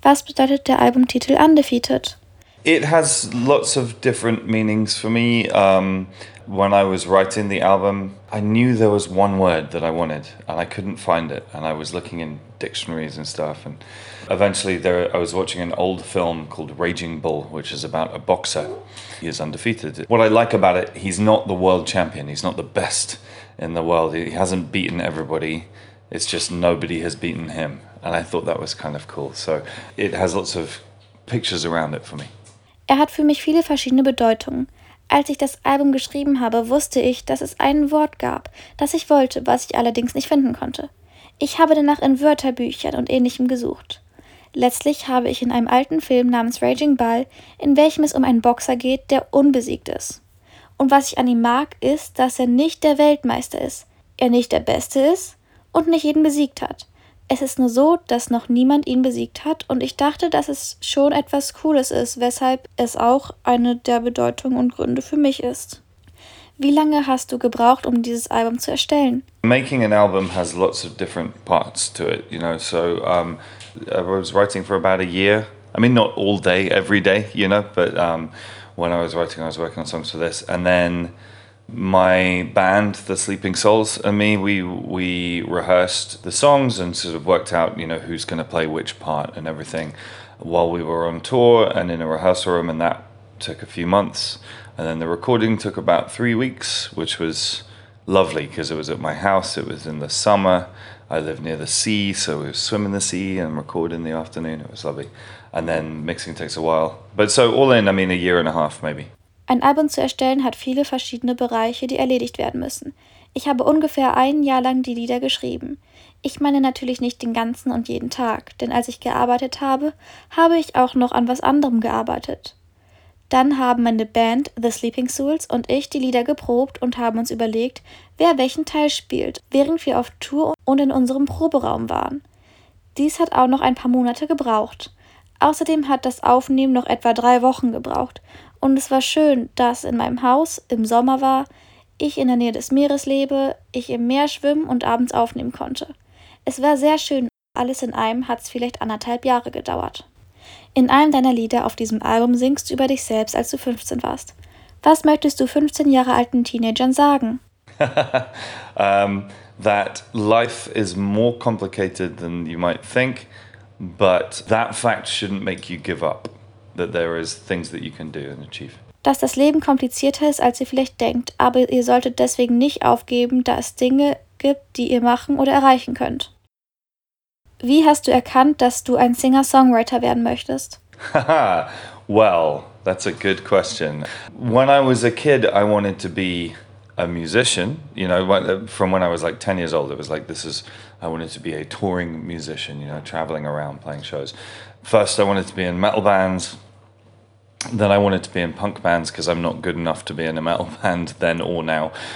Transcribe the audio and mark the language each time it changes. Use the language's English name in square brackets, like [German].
[German] Was bedeutet der Albumtitel Undefeated? [English] It has lots of different meanings for me. When I was writing the album, I knew there was one word that I wanted and I couldn't find it. And I was looking in dictionaries and stuff. And eventually I was watching an old film called Raging Bull, which is about a boxer. He is undefeated. What I like about it, he's not the world champion. He's not the best in the world. He hasn't beaten everybody. It's just nobody has beaten him. And I thought that was kind of cool. So it has lots of pictures around it for me. [German] Er hat für mich viele verschiedene Bedeutungen. Als ich das Album geschrieben habe, wusste ich, dass es ein Wort gab, das ich wollte, was ich allerdings nicht finden konnte. Ich habe danach in Wörterbüchern und Ähnlichem gesucht. Letztlich habe ich in einem alten Film namens Raging Bull, in welchem es um einen Boxer geht, der unbesiegt ist. Und was ich an ihm mag, ist, dass er nicht der Weltmeister ist, er nicht der Beste ist und nicht jeden besiegt hat. Es ist nur so, dass noch niemand ihn besiegt hat und ich dachte, dass es schon etwas Cooles ist, weshalb es auch eine der Bedeutungen und Gründe für mich ist. Wie lange hast du gebraucht, um dieses Album zu erstellen? [English] Making an album has lots of different parts to it, you know, so I was writing for about a year. I mean, not all day, every day, you know, but when I was working on songs for this and then my band, The Sleeping Souls, and me, we rehearsed the songs and sort of worked out, you know, who's going to play which part and everything while we were on tour and in a rehearsal room, and that took a few months. And then the recording took about 3 weeks, which was lovely because it was at my house. It was in the summer. I live near the sea, so we would swim in the sea and record in the afternoon. It was lovely. And then mixing takes a while. But so all in, I mean, a year and a half maybe. [German] Ein Album zu erstellen hat viele verschiedene Bereiche, die erledigt werden müssen. Ich habe ungefähr ein Jahr lang die Lieder geschrieben. Ich meine natürlich nicht den ganzen und jeden Tag, denn als ich gearbeitet habe, habe ich auch noch an was anderem gearbeitet. Dann haben meine Band, The Sleeping Souls, und ich die Lieder geprobt und haben uns überlegt, wer welchen Teil spielt, während wir auf Tour und in unserem Proberaum waren. Dies hat auch noch ein paar Monate gebraucht. Außerdem hat das Aufnehmen noch etwa 3 Wochen gebraucht. Und es war schön, dass in meinem Haus im Sommer war, ich in der Nähe des Meeres lebe, ich im Meer schwimmen und abends aufnehmen konnte. Es war sehr schön. Alles in allem hat es vielleicht 1,5 Jahre gedauert. In einem deiner Lieder auf diesem Album singst du über dich selbst, als du 15 warst. Was möchtest du 15 Jahre alten Teenagern sagen? [English] that life is more complicated than you might think, but that fact shouldn't make you give up. That there is things that you can do and achieve. [German] Dass das Leben komplizierter ist, als ihr vielleicht denkt, aber ihr solltet deswegen nicht aufgeben, da es Dinge gibt, die ihr machen oder erreichen könnt. Wie hast du erkannt, dass du ein Singer-Songwriter werden möchtest? [English] Well, that's a good question. When I was a kid, I wanted to be a musician, you know, from when I was like 10 years old, it was like, this is, I wanted to be a touring musician, you know, traveling around playing shows. First, I wanted to be in metal bands. Then I wanted to be in punk bands because I'm not good enough to be in a metal band then or now.